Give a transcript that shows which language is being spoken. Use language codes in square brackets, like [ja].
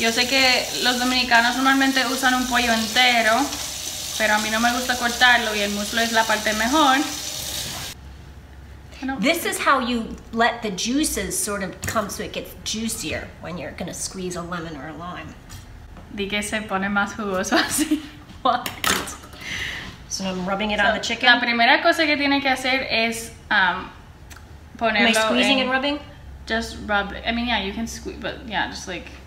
[es] Yo sé que los dominicanos normalmente usan un pollo entero, pero a mí no me gusta cortarlo y el muslo es la parte mejor. [en] This is how you let the juices sort of come so it gets juicier when you're gonna squeeze a lemon or a lime. [es] Di que se pone más jugoso así. [en] What? So I'm rubbing it on the chicken. [es] La primera cosa que tiene que hacer es ponerlo. [en] Am I squeezing and rubbing? Just rub it. I mean, yeah, you can squeeze, but yeah, just like.